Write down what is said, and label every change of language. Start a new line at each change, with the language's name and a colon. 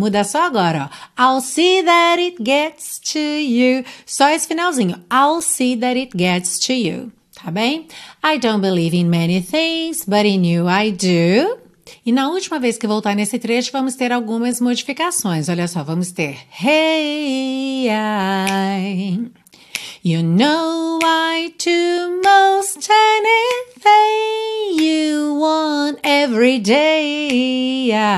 Portuguese: Muda só agora, ó.
English: I'll see that it gets to you.
Portuguese: Só esse finalzinho.
English: I'll see that it gets to you. Tá bem? I don't believe in many things, but in you I do.
Portuguese: E na última vez que voltar nesse trecho, vamos ter algumas modificações. Olha só, vamos ter... Hey, I...
English: You know I do most anything you want every day.